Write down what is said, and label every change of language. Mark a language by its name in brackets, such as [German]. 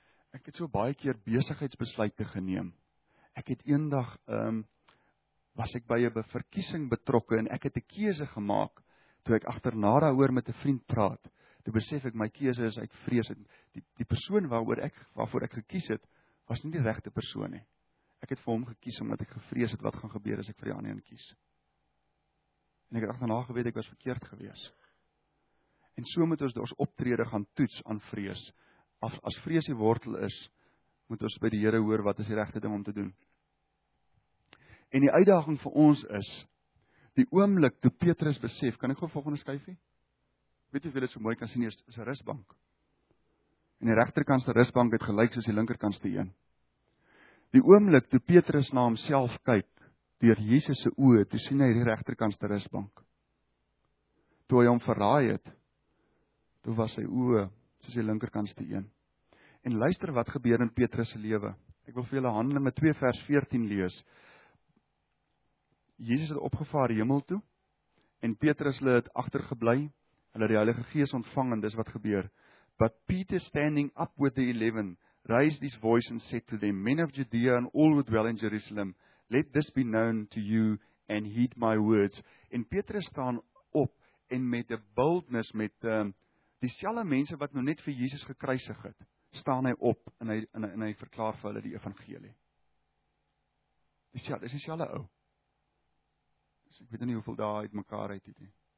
[Afrikaans] Ek het so baie keer besigheidsbesluite geneem. Ek het eendag, was ek by 'n verkiesing betrokke en ek het 'n keuse gemaak, toe ek agterna daaroor met 'n vriend praat, toe besef ek my keuse is uit vrees. Die persoon waarvoor ek gekies het, was nie die regte persoon nie. Ek het vir hom gekies omdat ek gevrees het wat gaan gebeur as ek vir die ander een kies. En ek het agterna geweet ek was verkeerd gewees. En so moet ons optrede gaan toets aan vrees. As vrees die wortel is, moet ons by die Here hoor wat is die regte ding om te doen. En die uitdaging vir ons is, die oomblik toe Petrus besef, kan ek gou volgende skuifie? Weet jy of jy dit so mooi kan sien, is 'n rusbank. En die regterkantse rusbank het gelyk soos die linkerkantse een. Die oomblik toe Petrus na homself kyk, deur Jesus se oë, toe sien hy die regterkantse rusbank. Toe hy hom verraai het, toe was sy oë soos die linkerkantse een. En luister wat gebeur in Petrus se lewe. Ek wil vir julle Handelinge 2 vers 14 lees. Jesus het opgevaar hemel toe en Petrus het agtergebly. Hulle het die Heilige Gees ontvang en dis wat gebeur. [English] But Peter standing up with the 11 raised his voice and said to them, Men of Judea and all who dwell in Jerusalem, let this be known to you and heed my words. [Afrikaans] En Petrus staan op en met 'n boldness, met dieselfde mense wat nou net vir Jesus gekruisig het, staan hy op en hy verklaar vir hulle die evangelie. Dis dieselfde ou. Ek weet nie hoeveel dae uit mekaar uit het nie.